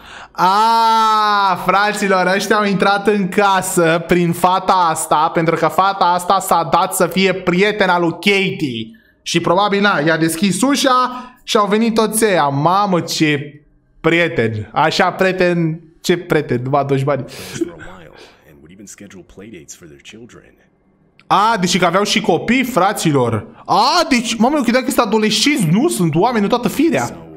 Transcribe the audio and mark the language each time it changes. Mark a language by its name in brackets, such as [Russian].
[Romanian] Aaa, fraților, ăștia au intrat în casă prin fata asta, pentru că fata asta s-a dat să fie prietena lui Katie. Și probabil, na, i-a deschis ușa și au venit toți ăia. Mamă, ce prieten. Așa, prieten, ce prieten, nu mă aduci bani. [English] And would even schedule playdates for their children. [Romanian] A, deci că aveau și copii, fraților. A, deci, mamă, eu credeam că sunt adolescenți. Nu, sunt oameni, nu toată firea.